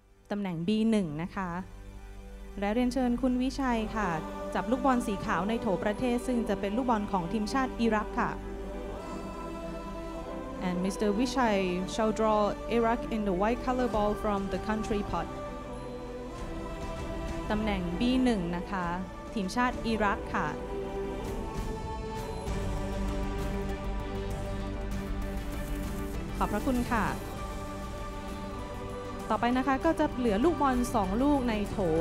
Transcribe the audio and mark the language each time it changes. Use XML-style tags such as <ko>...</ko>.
<th>ตำแหน่ง B1 นะคะและเรียนเชิญคุณวิชัยค่ะจับลูกบอลสีขาวในโถประเทศซึ่งจะเป็นลูกบอลของทีมชาติอิรักค่ะ</th> <en>And Mr. Vishai shall draw Iraq in the white color ball from the country pot.</en> <th>ตำแหน่ง B1 นะคะทีมชาติอิรักค่ะขอบพระคุณค่ะต่อไปนะคะก็จะเหลือลูกบอล2ลูกในโถ</th>